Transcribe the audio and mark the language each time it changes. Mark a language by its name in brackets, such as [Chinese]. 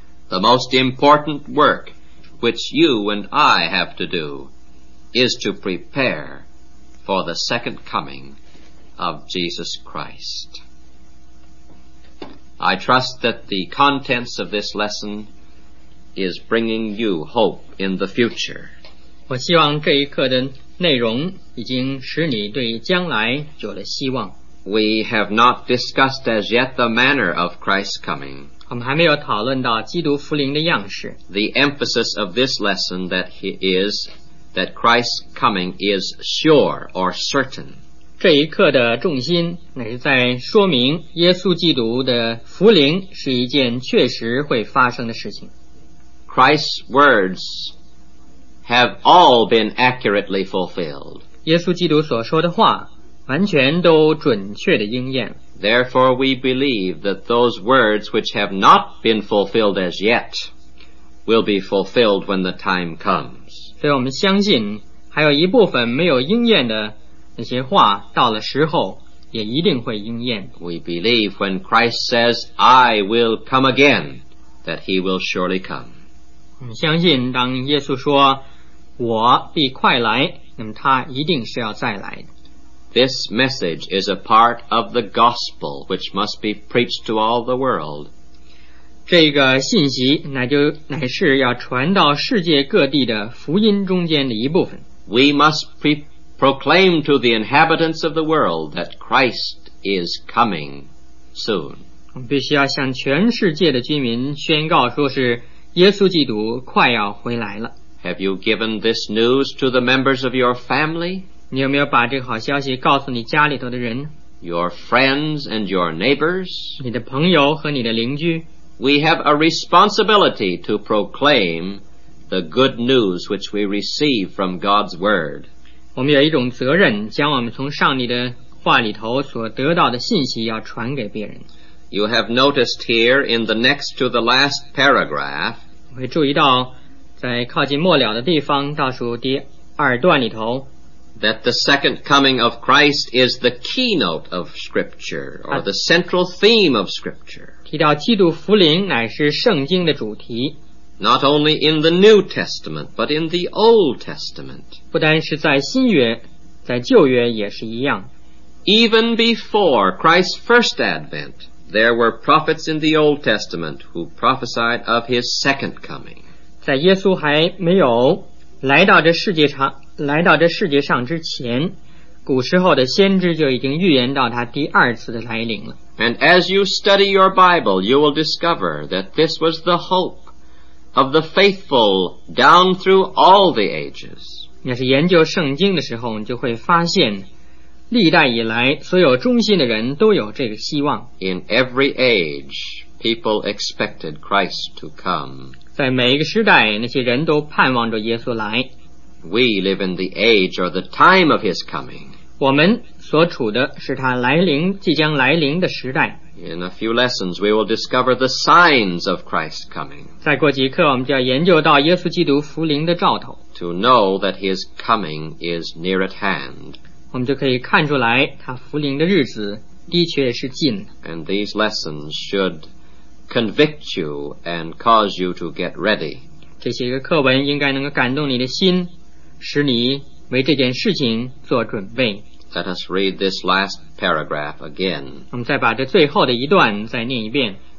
[English] The most important work which you and I have to do is to prepare for the second coming of Jesus Christ. I trust that the contents of this lesson is bringing you hope in the future. [Chinese] 我希望这一课的内容已经使你对将来有了希望。 [English] We have not discussed as yet the manner of Christ's coming. [Chinese] 我们还没有讨论到基督复临的样式。 [English] The emphasis of this lesson that Christ's coming is sure or certain. [Chinese] 这一课的重心乃是在说明耶稣基督的复临是一件确实会发生的事情。 [English] Christ's words have all been accurately fulfilled. [Chinese] 耶稣基督所说的话完全都准确地应验。 [English] Therefore, we believe that those words which have not been fulfilled as yet will be fulfilled when the time comes. [Chinese] 所以我们相信还有一部分没有应验的那些话到了时候也一定会应验。 [English] We believe when Christ says, I will come again, that he will surely come. [Chinese] 我们相信当耶稣说我必快来，那么他一定是要再来的。 [English] This message is a part of the gospel which must be preached to all the world. [Chinese] 这个信息乃是要传到世界各地的福音中间的一部分。 [English] We must proclaim to the inhabitants of the world that Christ is coming soon. [Chinese] 我们必须要向全世界的居民宣告说是耶稣基督快要回来了。 [English] Have you given this news to the members of your family? [Chinese] 你有没有把这个好消息告诉你家里头的人？ [English] Your friends and your neighbors? [Chinese] 你的朋友和你的邻居？ [English] We have a responsibility to proclaim the good news which we receive from God's word. [Chinese] 我们有一种责任将我们从上帝的话里头所得到的信息要传给别人。 [English] You have noticed here in the next to the last paragraph, [Chinese] 会注意到在靠近末了的地方倒数第二段里头 [English] that the second coming of Christ is the keynote of Scripture or the central theme of Scripture. [Chinese] 提到基督复临乃是圣经的主题。 [English] Not only in the New Testament, but in the Old Testament. [Chinese] 不单是在新约，在旧约也是一样。 [English] Even before Christ's first advent,There were prophets in the Old Testament who prophesied of his second coming. [Chinese] 在耶稣还没有来到这世界上之前，古时候的先知就已经预言到他第二次的来临了。 [English] And as you study your Bible, you will discover that this was the hope of the faithful down through all the ages. [Chinese] 要是研究圣经的时候，你就会发现历代以来所有忠心的人都有这个希望。 [English] In every age, people expected Christ to come. [Chinese] 在每一个时代那些人都盼望着耶稣来。 [English] We live in the age or the time of his coming. [Chinese] 我们所处的是他即将来临的时代。 [English] In a few lessons, we will discover the signs of Christ's coming. [Chinese] 再过几课我们就要研究到耶稣基督复临的兆头。 [English] To know that his coming is near at hand. [Chinese] 我们就可以看出来他复临的日子的确是近的。 [English] And these lessons should convict you and cause you to get ready. [Chinese] 这些课文应该能够感动你的心，使你为这件事情做准备。 [English] Let us read this last paragraph again. [Chinese] 我们再把这最后的一段再念一遍。